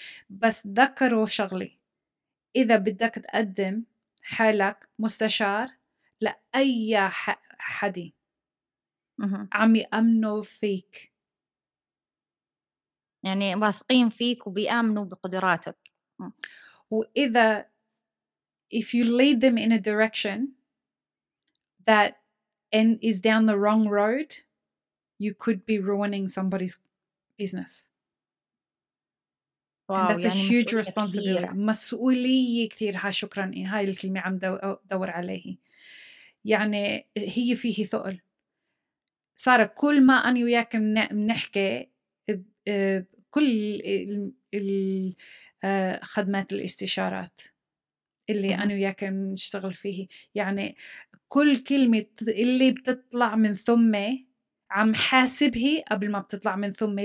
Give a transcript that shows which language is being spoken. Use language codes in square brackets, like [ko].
[ar] بس ذكروا شغلي، إذا بدك تقدم حالك مستشار لأي حد عم يأمنوا فيك، يعني واثقين فيك وبيأمنوا بقدراتك، وإذا [en] if you lead them in a direction that is down the wrong road you could be ruining somebody's business. And that's يعني a huge responsibility. [ar] مسؤولية كثير. ها شكراً، هاي الكلمة عم دور عليه. يعني هي فيه ثقل. سارة كل ما أنا وياك بنحكي كل خدمات الاستشارات اللي أنا وياك نشتغل فيه، يعني كل كلمة اللي بتطلع من ثمي عم حاسبها قبل ما بتطلع من ثمي.